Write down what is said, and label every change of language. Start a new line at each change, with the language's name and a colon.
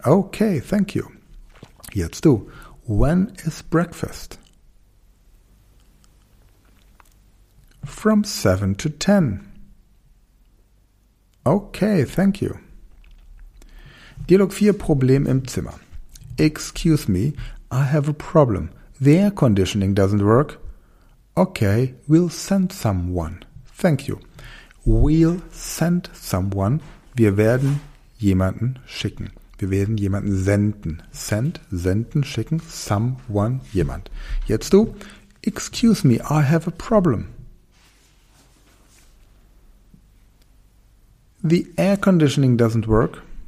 English: Okay, thank you.
German: Jetzt du.
English: When is breakfast? From 7 to 10. Okay, thank you.
German: Dialog 4, Problem im Zimmer.
English: Excuse me, I have a problem. The air conditioning doesn't work. Okay, we'll send someone. Thank you. We'll send someone.
German: Wir werden jemanden schicken. Wir werden jemanden senden. Send, senden, schicken. Someone, jemand. Jetzt du.
English: Excuse me, I have a problem. The air conditioning doesn't work.